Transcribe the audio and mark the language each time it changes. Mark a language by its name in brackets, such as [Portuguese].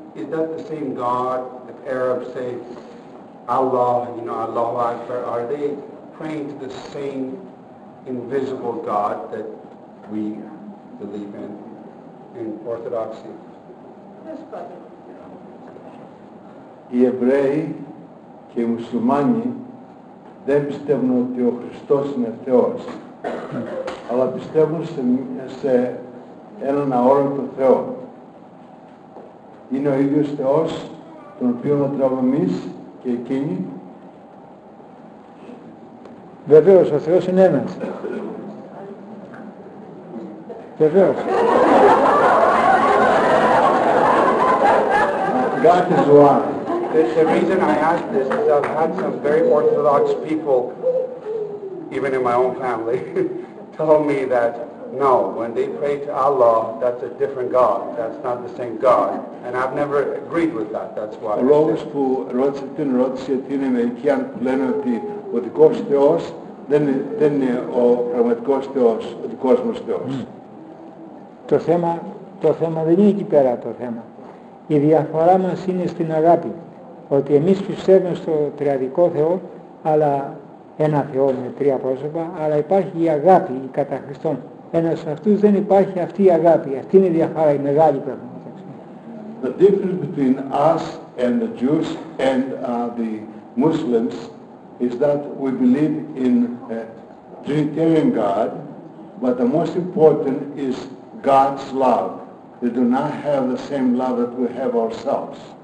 [English] is that the same God that Arabs say Allah, you know, Allahu Akbar? Are they praying to the same invisible God that we believe in Orthodoxy? Yes, brother. [Greek] Οι Εβραίοι και οι Μουσουλμάνοι δεν πιστεύουν ότι ο Χριστός είναι Θεός, αλλά πιστεύουν σε έναν αόρατο Θεό. Είναι ο ίδιος Θεός, τον οποίο λατρεύουμε εμείς και εκείνοι. Βεβαίως, ο Θεός είναι ένας. Βεβαίως. [English] God is one. The reason I ask this is I've had some very Orthodox people, even in my own family, tell me that no, when they pray to Allah, that's a different God. That's not the same God. And I've never agreed with that. That's why. [Greek] Λόγος που ρώτησε την ερώτηση την Αμερική αν λένε ότι ο δικός Θεός δεν είναι ο πραγματικός Θεός, ο δικός μας Θεός. Το θέμα δεν είναι εκεί πέρα το θέμα. Η διαφορά μας είναι στην αγάπη. Ότι εμείς πιστεύουμε στο τριαδικό Θεό, αλλά ένα Θεό με τρία πρόσωπα, αλλά υπάρχει η αγάπη, η κατά Χριστόν. Ένας από αυτούς δεν υπάρχει αυτή η αγάπη. Αυτή είναι η διαφορά, η μεγάλη πράγμα. [English] The difference between us and the Jews and the Muslims is that we believe in a Trinitarian God, but the most important is God's love. They do not have the same love that we have ourselves.